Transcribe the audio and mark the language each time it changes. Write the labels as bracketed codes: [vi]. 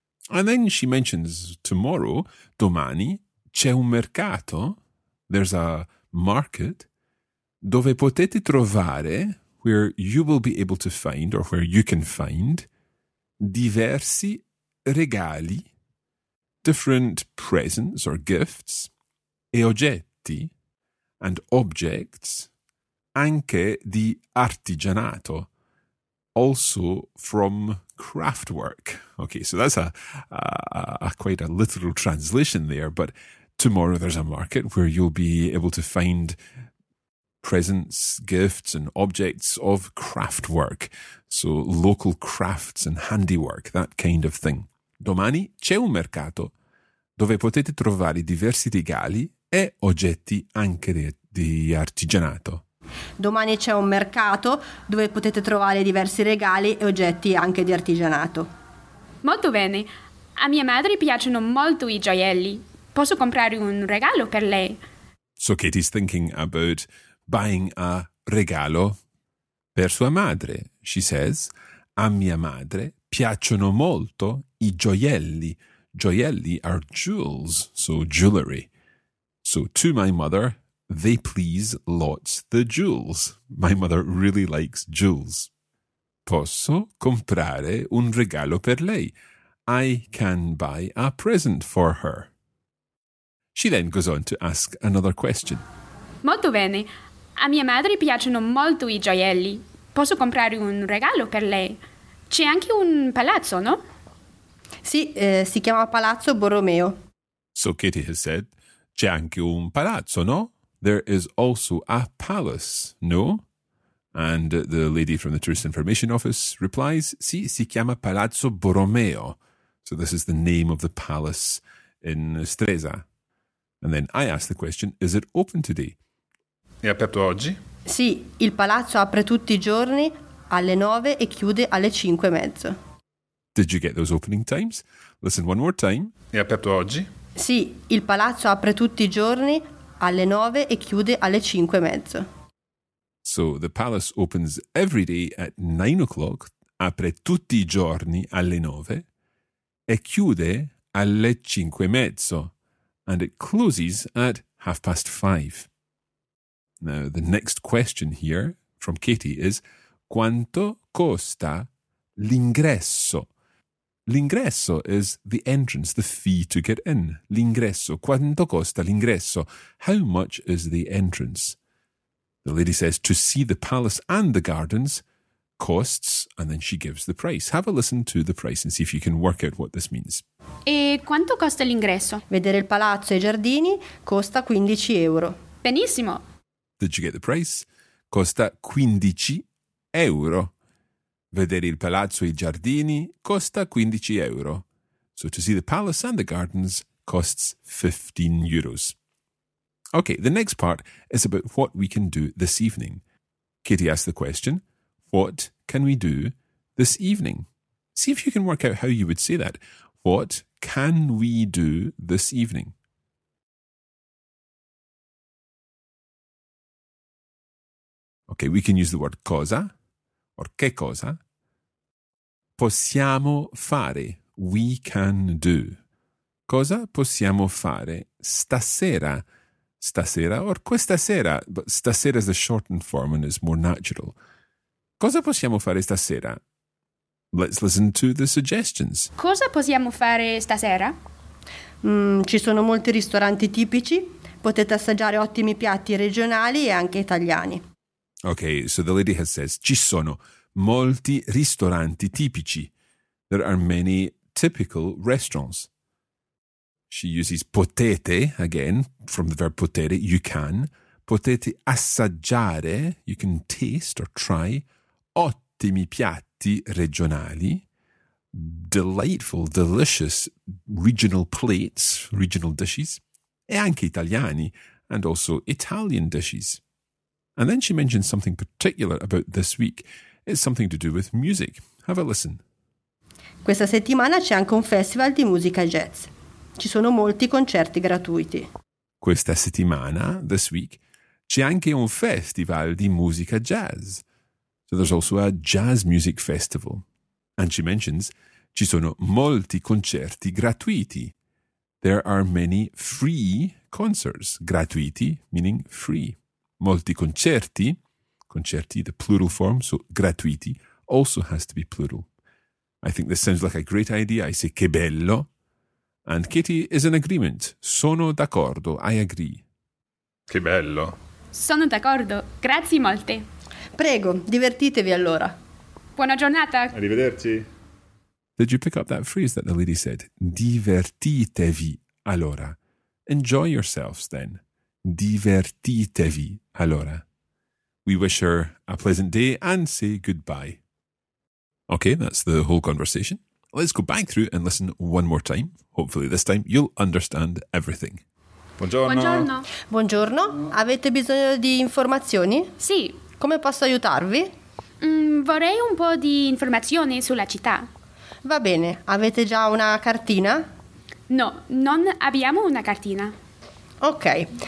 [en] And then she mentions tomorrow, [it] domani, c'è un mercato, [en] there's a market, [it] dove potete trovare, [en] where you will be able to find, or where you can find, [it] diversi regali, [en] different presents or gifts, [it] e oggetti, [en] and objects, [it] anche di artigianato, [en] also from craftwork. Okay, so that's a quite a literal translation there, but tomorrow there's a market where you'll be able to find presents, gifts, and objects of craftwork. So local crafts and handiwork, that kind of thing. [it] Domani c'è un mercato dove potete trovare diversi regali e oggetti anche di artigianato. Domani c'è un mercato dove potete trovare diversi regali e oggetti anche di artigianato. Molto bene. A mia madre piacciono molto i gioielli. Posso comprare un regalo per lei? [en] So Katie's thinking about buying a [it] regalo per sua madre. [en] She says, [it] a mia madre piacciono molto i gioielli. [en] Gioielli are jewels, so jewelry. So to my mother, they please lots the jewels. My mother really likes jewels. [it] Posso comprare un regalo per lei. [en] I can buy a present for her. She then goes on to ask another question. [it] Molto bene. A mia madre piacciono molto i gioielli. Posso comprare un regalo per lei? C'è anche un palazzo, no? Sì, si chiama Palazzo Borromeo. [en] So Kitty has said, [it] c'è anche un palazzo, no? [en] There is also a palace, no? And the lady from the Tourist Information Office replies, [it] sì, si chiama Palazzo Borromeo. [en] So this is the name of the palace in Stresa. And then I ask the question, is it open today? [it] È aperto oggi? Sì, il palazzo apre tutti i giorni alle 9 e chiude alle 5 e mezzo. [en] Did you get those opening times? Listen one more time. [it] È aperto oggi? Sì, il palazzo apre tutti i giorni alle 9 e chiude alle 5 e mezzo. [en] So the palace opens every day at 9 o'clock, [it] apre tutti i giorni alle 9 e chiude alle 5 e mezzo. [en] And it closes at 5:30. Now, the next question here from Katie is, [it] quanto costa l'ingresso? [en] L'ingresso is the entrance, the fee to get in. [it] L'ingresso. Quanto costa l'ingresso? [en] How much is the entrance? The lady says, to see the palace and the gardens costs, and then she gives the price. Have a listen to the price and see if you can work out what this means. [it] E quanto costa l'ingresso? Vedere il palazzo e i giardini costa 15 euro. Benissimo. [en] Did you get the price? [it] Costa 15 euro. Vedere il palazzo e i giardini costa 15 euro. [en] So to see the palace and the gardens costs 15 euros. Okay, the next part is about what we can do this evening. Katie asked the question, what can we do this evening? See if you can work out how you would say that. What can we do this evening? Okay, we can use the word cosa or che cosa. [it] Possiamo fare, [en] we can do. [it] Cosa possiamo fare stasera? [en] Stasera or [it] questa sera, [en] but stasera is the shortened form and is more natural. [it] Cosa possiamo fare stasera? [en] Let's listen to the suggestions. [it] Cosa possiamo fare stasera? Ci sono molti ristoranti tipici. Potete assaggiare ottimi piatti regionali e anche italiani. [en] Okay, so the lady has says, [it] ci sono molti ristoranti tipici. [en] There are many typical restaurants. She uses potete, again, from the verb potere, you can. [it] Potete assaggiare, [en] you can taste or try, [it] ottimi piatti regionali, [en] delightful, delicious regional plates, regional dishes, [it] e anche italiani, [en] and also Italian dishes. And then she mentions something particular about this week. It's something to do with music. Have a listen. [it] Questa settimana c'è anche un festival di musica jazz. Ci sono molti concerti gratuiti. Questa settimana, [en] this week, [it] c'è anche un festival di musica jazz. [en] So there's also a jazz music festival. And she mentions, [it] ci sono molti concerti gratuiti. [en] There are many free concerts. Gratuiti, meaning free. [it] Molti concerti, concerti, [en] the plural form, so gratuiti, also has to be plural. I think this sounds like a great idea. I say [it] che bello. [en] And Katie is in agreement. [it] Sono d'accordo, [en] I agree. [it] Che bello. Sono d'accordo, grazie molte. Prego, divertitevi allora. Buona giornata. Arrivederci. [en] Did you pick up that phrase that the lady said? [it] Divertitevi allora. [en] Enjoy yourselves then. [it] Divertitevi allora. [en] We wish her a pleasant day and say goodbye. Okay, that's the whole conversation. Let's go back through and listen one more time. Hopefully this time you'll understand everything. [it] Buongiorno. Buongiorno. Buongiorno. Avete bisogno di informazioni? Sì. Come posso aiutarvi? Vorrei un po' di informazioni sulla città. Va bene. Avete già una cartina? No, non abbiamo una cartina. Ok.